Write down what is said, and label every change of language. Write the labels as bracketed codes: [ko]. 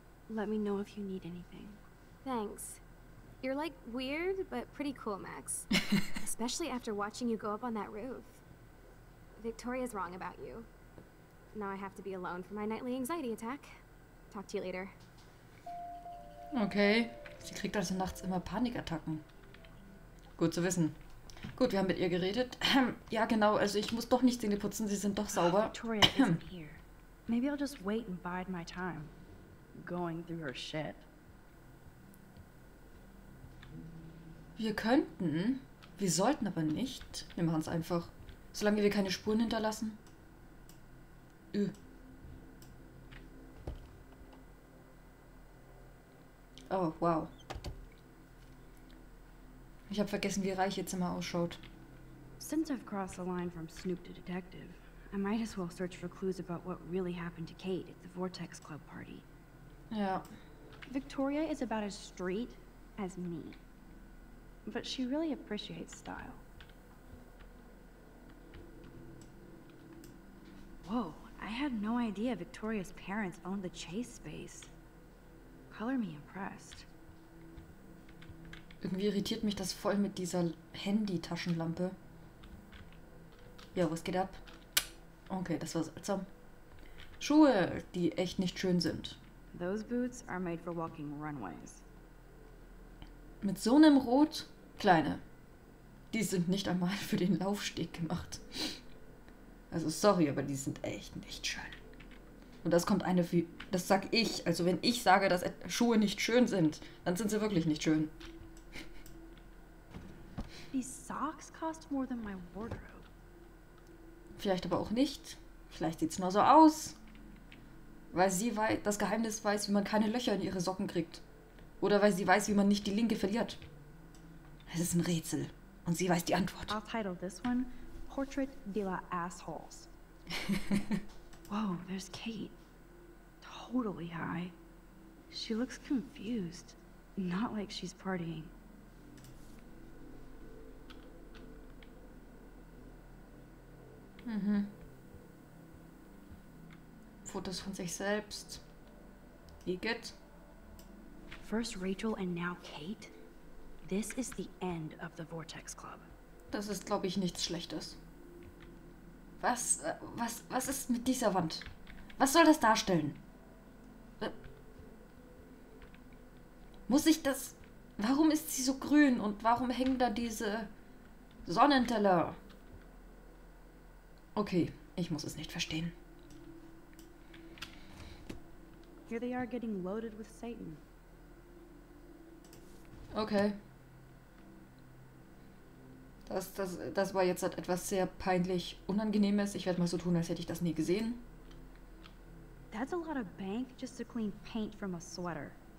[en] Let me know if you need anything. Thanks. You're like weird, but pretty cool, Max. Especially after watching you go up on that roof. Victoria's wrong about you. Now I have to be alone for my nightly anxiety attack. Talk to you later. Okay. [de] Sie kriegt also nachts immer Panikattacken. Gut zu wissen. Gut, wir haben mit ihr geredet. Ja, genau. Also ich muss doch nicht Zähne putzen. Sie sind doch sauber. [en] Victoria isn't here. Maybe I'll just wait and bide my time. Going through her shit. [de] Wir könnten, wir sollten aber nicht. Wir machen es einfach. Solange wir keine Spuren hinterlassen. Oh, wow. Ich habe vergessen, wie reich ihr Zimmer ausschaut. [en] Since I've crossed the line from Snoop to Detective, I might as well search for clues about what really happened to Kate at the Vortex Club party. [de] Ja. [en] Victoria is about as straight as me. But she really appreciates style. Whoa, I had no idea Victoria's parents owned the Chase space. Color me impressed. [de] Irgendwie irritiert mich das voll mit dieser Handy-Taschenlampe. Ja, was geht ab? Okay, das war seltsam. Schuhe, die echt nicht schön sind. [en] Those boots are made for walking runways. [de] Mit so einem Rot? Kleine, die sind nicht einmal für den Laufsteg gemacht. Also sorry, aber die sind echt nicht schön. Und das kommt eine wie... Das sag ich. Also wenn ich sage, dass Schuhe nicht schön sind, dann sind sie wirklich nicht schön. [en] These socks cost more than my wardrobe. [de] Vielleicht aber auch nicht. Vielleicht sieht's nur so aus. Weil sie weiß, das Geheimnis weiß, wie man keine Löcher in ihre Socken kriegt. Oder weil sie weiß, wie man nicht die linke verliert. Es ist ein Rätsel. Und sie weiß die Antwort. [en] I'll title this one, Portrait de la Assholes. Whoa, there's Kate. Totally high. She looks confused. Not like she's partying. Mhm. [de] Fotos von sich selbst. Igitt. [en] First Rachel and now Kate? This is the end of the Vortex Club. [de] Das ist, glaube ich, nichts Schlechtes. Was, was ist mit dieser Wand? Was soll das darstellen? Muss ich das... Warum ist sie so grün und warum hängen da diese Sonnenteller? Okay, ich muss es nicht verstehen. [en] Here they are getting loaded with Satan. Okay. [de] Das war jetzt etwas sehr peinlich Unangenehmes. Ich werde mal so tun, als hätte ich das nie gesehen. [en] That's a lot of bank just to clean paint from a sweater.